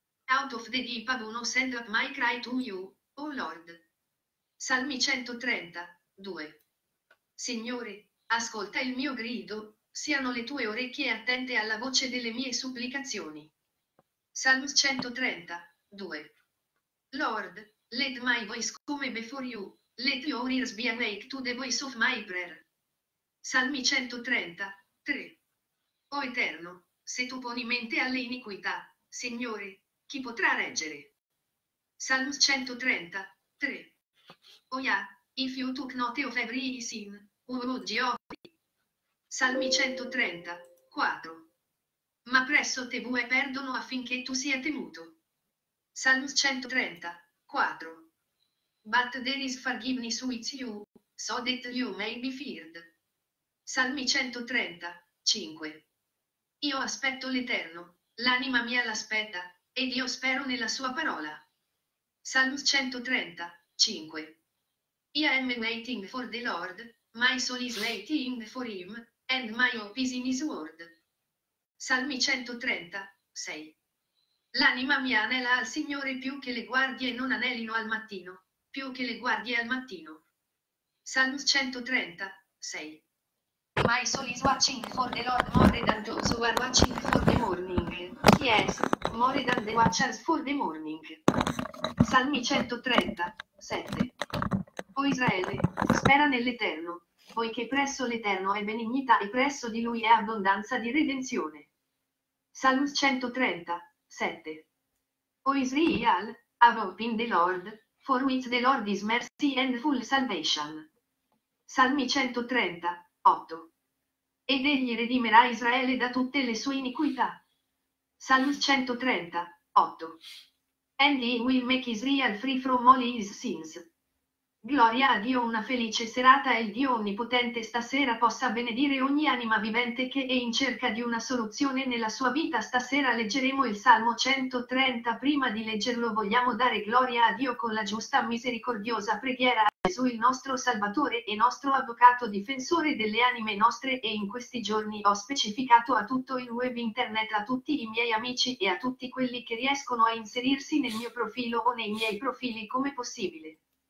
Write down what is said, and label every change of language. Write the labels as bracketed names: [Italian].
[English] Out of the deep abyss send up my cry to you, O Lord. [Italian] Salmi 130, 2. Signore, ascolta il mio grido, siano le tue orecchie attente alla voce delle mie supplicazioni. Salmi 130, 2. [English] Lord, let my voice come before you, let your ears be awake to the voice of my prayer. [Italian] Salmi 130, 3. O Eterno, se tu poni mente alle iniquità, Signore, chi potrà reggere? Salmi 130, 3. [English] O Yah, if you took note of every sin, would you? [Italian] Salmi 130, 4. Ma presso te vuoi perdono affinché tu sia temuto. Salmi 130, 4. [English] But there is forgiveness with you, so that you may be feared. [Italian] Salmi 130, 5. Io aspetto l'Eterno, l'anima mia l'aspetta, ed io spero nella sua parola. Salmi 130, 5. [English] I am waiting for the Lord, my soul is waiting for him, and my hope is in his word. [Italian] Salmi 130, 6. L'anima mia anela al Signore più che le guardie non anelino al mattino, più che le guardie al mattino. Salmi 130, 6. [English] My soul is watching for the Lord more than those who are watching for the morning. Yes, more than the watchers for the morning. [Italian] Salmi 130, 7. O Israele, spera nell'Eterno, poiché presso l'Eterno è benignità e presso di Lui è abbondanza di redenzione. Salmi 130, 7. [English] O Israel, have hope in the Lord, for with the Lord is mercy and full salvation. [Italian] Salmi 130, 8. Ed egli redimerà Israele da tutte le sue iniquità. Salmi 130, 8. [English] And he will make Israel free from all his sins. [Italian] Gloria a Dio, una felice serata e il Dio Onnipotente stasera possa benedire ogni anima vivente che è in cerca di una soluzione nella sua vita. Stasera leggeremo il Salmo 130. Prima di leggerlo vogliamo dare gloria a Dio con la giusta misericordiosa preghiera a Gesù il nostro Salvatore e nostro Avvocato Difensore delle anime nostre, e in questi giorni ho specificato a tutto il web internet, a tutti i miei amici e a tutti quelli che riescono a inserirsi nel mio profilo o nei miei profili come possibile.